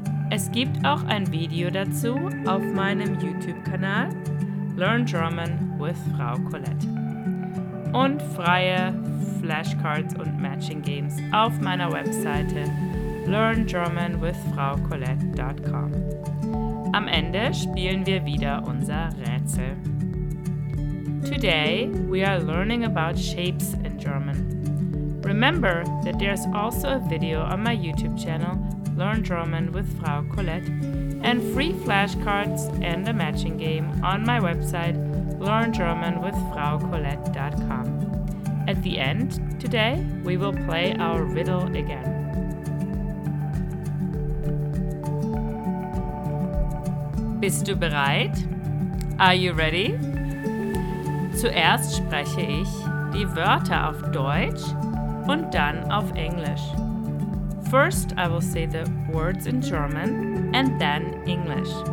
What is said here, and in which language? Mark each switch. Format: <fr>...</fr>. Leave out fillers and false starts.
<de>Es gibt auch ein Video dazu auf meinem YouTube-Kanal Learn German with Frau Colette und freie Flashcards und Matching Games auf meiner Webseite learngermanwithfraucolette.com. Am Ende spielen wir wieder unser Rätsel.</de> <en>Today we are learning about shapes in German. Remember that there's also a video on my YouTube channel, Learn German with Frau Colette, and free flashcards and a matching game on my website, learngermanwithfraucolette.com. At the end today, we will play our riddle again.</en> <de>Bist du bereit?</de> <en>Are you ready?</en> <de>Zuerst spreche ich die Wörter auf Deutsch und dann auf Englisch.</de> <en>First I will say the words in German and then English.</en>